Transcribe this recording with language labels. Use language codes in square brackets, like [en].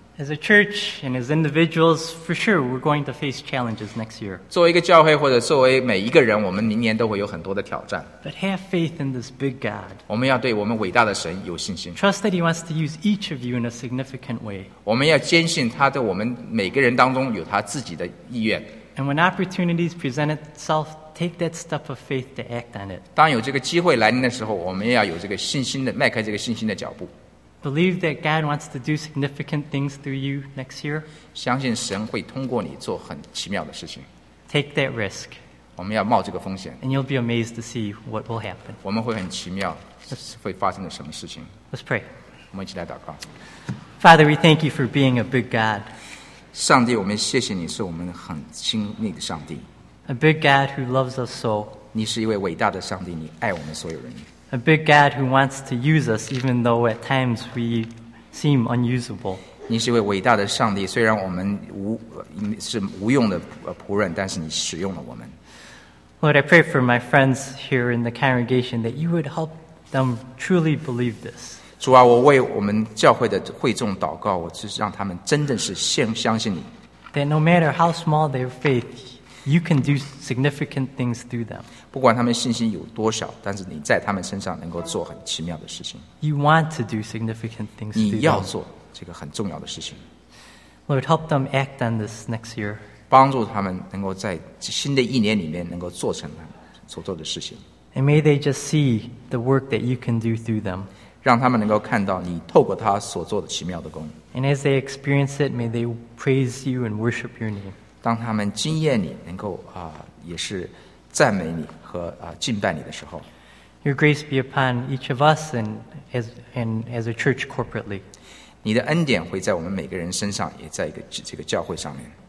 [en] As a church and as individuals, for sure, we're going to face challenges next year. [zh] 作为一个教会或者作为每一个人，我们明年都会有很多的挑战。 [en] But have faith in this big God. [zh] 我们要对我们伟大的神有信心。 [en] Trust that He wants to use each of you in a significant way. [zh] 我们要坚信他在我们每个人当中有他自己的意愿。 [en] And when opportunities present itself, take that step of faith to act on it. [zh] 当有这个机会来临的时候，我们要有这个信心的迈开这个信心的脚步。 [en] Believe that God wants to do significant things through you next year. [zh] 相信神会通过你做很奇妙的事情。 [en] Take that risk. [zh] 我们要冒这个风险。 [en] And you'll be amazed to see what will happen. [zh] 我们会很奇妙，会发生了什么事情。 [en] Let's pray. [zh] 我们一起来祷告。 [en] Father, we thank you for being a big God. [zh] 上帝，我们谢谢你是我们很亲密的上帝。 [en] A big God who loves us so. [zh] 你是一位伟大的上帝，你爱我们所有人。 [en] A big God who wants to use us even though at times we seem unusable. [zh] 你是一位伟大的上帝，虽然我们是无用的仆人，但是你使用了我们。 [en] Lord, I pray for my friends here in the congregation that you would help them truly believe this. [zh] 主啊，我为我们教会的会众祷告，我是让他们真正是相信你。 [en] That no matter how small their faith, you can do significant things through them. [zh] 不管他们信心有多小，但是你在他们身上能够做很奇妙的事情。 [en] You want to do significant things. [zh] 你要做这个很重要的事情。 [en] Lord, help them act on this next year. [zh] 帮助他们能够在新的一年里面能够做成所做的事情。 [en] And may they just see the work that you can do through them. [zh] 让他们能够看到你透过他所做的奇妙的工。 [en] And as they experience it, may they praise you and worship your name. [zh] 当他们经验你，能够也是。赞美你和敬拜你的时候 [en] ，Your grace be upon each of us and as a church corporately. [zh] 你的恩典会在我们每个人身上，也在一个这个教会上面。